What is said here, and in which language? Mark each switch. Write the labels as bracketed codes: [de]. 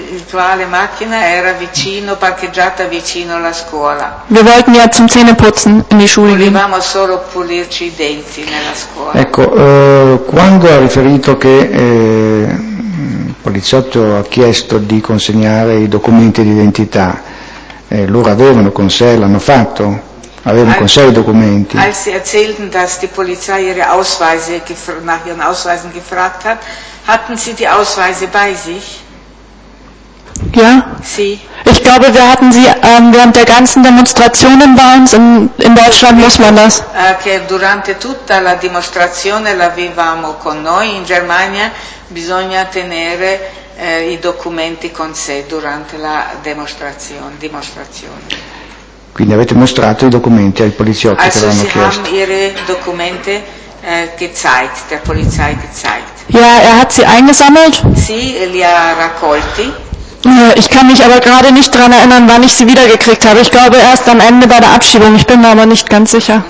[it] Quale macchina era vicino, parcheggiata vicino alla scuola. [de] Wir wollten ja zum Zähneputzen in die Schule gehen. [it] Volevamo solo pulirci i denti nella scuola. Ecco, quando ha riferito che poliziotto ha chiesto di consegnare i documenti d'identità. Loro avevano con sé, l'hanno fatto, avevano con sé i documenti. [de] Als sie erzählten, dass die Polizei ihre Ausweise nach ihren Ausweisen gefragt hat, hatten sie die Ausweise bei sich? Ja. Sie. Ich glaube, wir hatten sie während der ganzen Demonstrationen bei uns. In Deutschland muss man das. [it] Che durante tutta la dimostrazione l'avevamo con noi. In Germania bisogna tenere i documenti con sé durante la dimostrazione. Quindi avete mostrato i documenti ai poliziotti che l'hanno chiesto. [de] Also sie haben ihre Dokumente gezeigt, der Polizei gezeigt. Ja, hat sie eingesammelt. [it] Sì, li ha raccolti. [de] Ich kann mich aber gerade nicht daran erinnern, wann ich sie wiedergekriegt habe. Ich glaube erst am Ende bei der Abschiebung. Ich bin mir aber nicht ganz sicher.